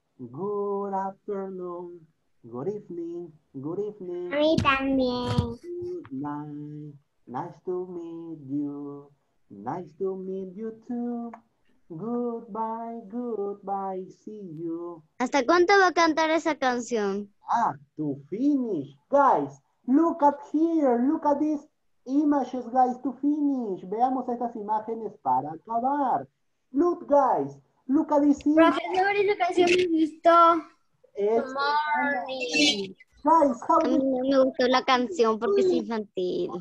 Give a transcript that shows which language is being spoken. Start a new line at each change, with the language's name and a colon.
English: Good afternoon. Good evening.
Spanish: A mí también.
English: Good night. Nice to meet you. Nice to meet you too. Goodbye. See you.
Spanish: ¿Hasta cuánto va a cantar esa canción?
English: Ah, to finish. Guys, look at here. Look at these images, guys, to finish.
Spanish: Veamos estas imágenes para acabar.
English: Look, guys. Look at this image.
Spanish: Profesor, esa canción me gustó. Es
English: Guys, how
Spanish: me gustó la canción porque es infantil.